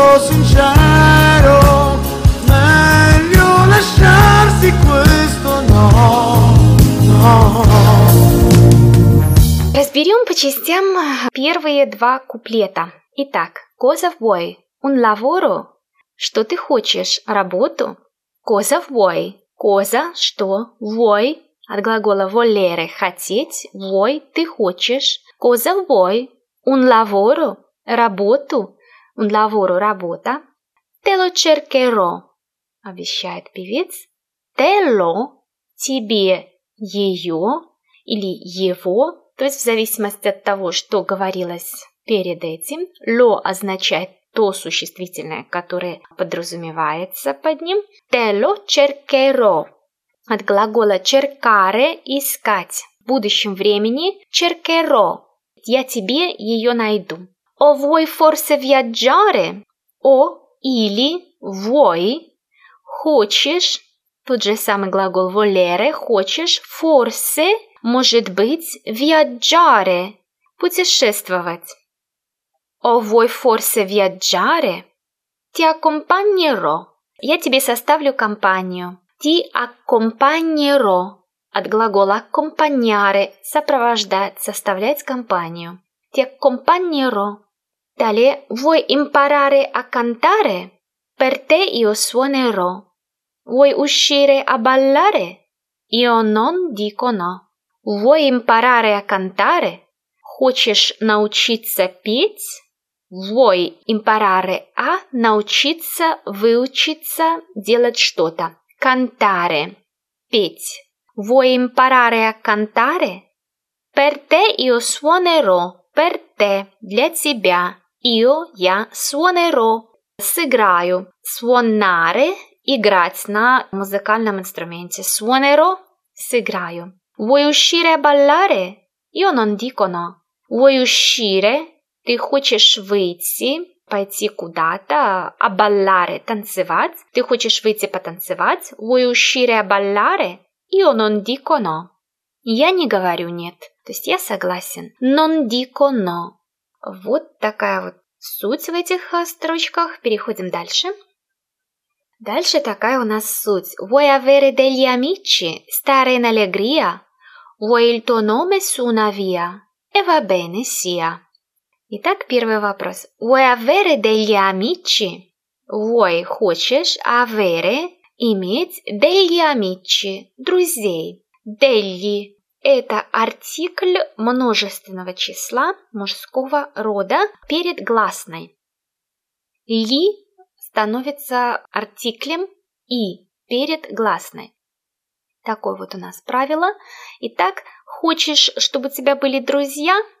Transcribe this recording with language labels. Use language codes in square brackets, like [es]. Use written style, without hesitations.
[it] Sincero, meglio lasciarsi questo no, no. [ru] Разберем по частям первые два куплета. [it] Итак, cosa vuoi? Un lavoro? [ru] Что ты хочешь? Работу? [it] Cosa vuoi? Cosa? [ru] Что? [it] Vuoi? [ru] От глагола volere – хотеть. Vuoi – ты хочешь. [it] Cosa vuoi? Un lavoro? [ru] Работу? [it] Un lavoro, [ru] работа. [it] Te lo cercherò, [ru] обещает певец. [it] Te lo, [ru] тебе, ее или его, то есть в зависимости от того, что говорилось перед этим. Lo означает то существительное, которое подразумевается под ним. [it] Te lo cercherò, [ru] от глагола [it] cercare, [ru] искать. В будущем времени cercherò, я тебе ее найду. [it] O vuoi forse viaggiare? [ru] O, или, vuoi, хочешь, тот же самый глагол volere, хочешь, forse, может быть, viaggiare, путешествовать. [it] O vuoi forse viaggiare? Ti accompagnerò. [ru] Я тебе составлю компанию. [it] Ti accompagnerò. [ru] От глагола accompagnare, сопровождать, составлять компанию. [it] Ti accompagnerò. Далее, vuoi imparare a cantare? Per te io suonerò. Vuoi uscire a ballare? Io non dico no. Vuoi imparare a cantare? [ru] Хочешь научиться петь? [it] Vuoi imparare a [ru] научиться, выучиться, делать что-то. [it] Cantare, [ru] петь. [it] Vuoi imparare a cantare? Per te io suonerò. Per te, [ru] для тебя. Io, я, suonerò, сыграю. Suonare, играть на музыкальном инструменте. Suonerò, сыграю. [it] Vuoi uscire a ballare? Io non dico no. Vuoi uscire? [ru] Ты хочешь выйти, пойти куда-то, [it] a ballare, [ru] танцевать. Ты хочешь выйти потанцевать? [it] Vuoi uscire a ballare? Io non dico no. [ru] Я не говорю нет. То есть я согласен. [it] Non dico no. [ru] Вот такая вот суть в этих строчках. Переходим дальше. Дальше такая у нас суть. [it] Vuoi avere degli amici? Stare in allegria? Vuoi il tuo nome su una via? E va bene, sia. [ru] Итак, первый вопрос. [it] Vuoi avere degli amici? Vuoi, хочешь, avere, [ru] иметь [it] degli amici, [ru] друзей. Degli – это артикль множественного числа мужского рода перед гласной. Li становится артиклем i перед гласной. Такое вот у нас правило. Итак, хочешь, чтобы у тебя были друзья?